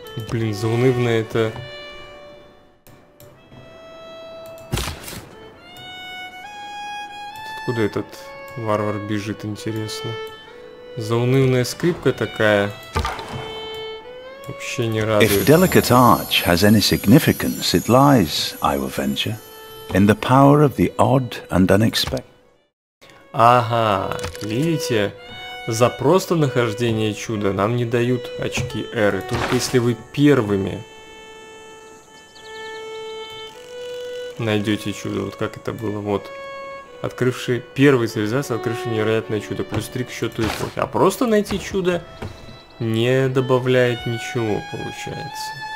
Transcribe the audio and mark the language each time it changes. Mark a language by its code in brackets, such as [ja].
[ru] Блин, заунывно это. Откуда этот варвар бежит, интересно? Заунывная скрипка такая. Вообще не радует. [en] If delicate arch has any significance, it lies, I will venture, in the power of the odd and unexpected. [ru] Ага, видите? За просто нахождение чуда нам не дают очки эры, только если вы первыми найдете чудо. Вот как это было, вот. Открывший первый связаться, открывший невероятное чудо, плюс 3 к счету эпохи. А просто найти чудо не добавляет ничего, получается.